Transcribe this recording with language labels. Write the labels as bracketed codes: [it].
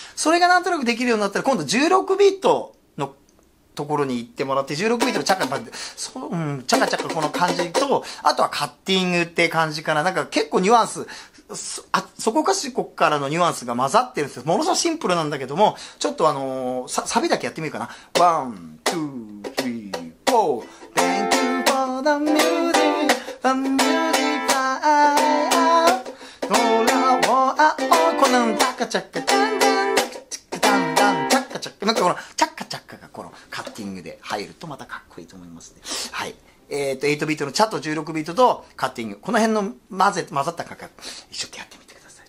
[ja] それがなんとなくできるようになったら、今度16ビート、ところに行ってもらって、16ビートのチャカチャカ、そう、うん、チャカチャカこの感じと、あとはカッティングって感じかな。なんか結構ニュアンス、そこかしこからのニュアンスが混ざってるんですよ。ものすごくシンプルなんだけども、ちょっとサビだけやってみるかな。ワン、ツー、スリー、フォー。 [en] Thank you for the music, the music I have. [ja] ドラボアオー、このチャカチャカ、チャンダン、チャカチャンダン、チャカチャカ、なんかこの、チャカチャカがこの、カッティングで入るとまたかっこいいと思いますね。はい。 8ビートのチャと16ビートとカッティング。この辺の混ざった感覚、一緒にやってみてください。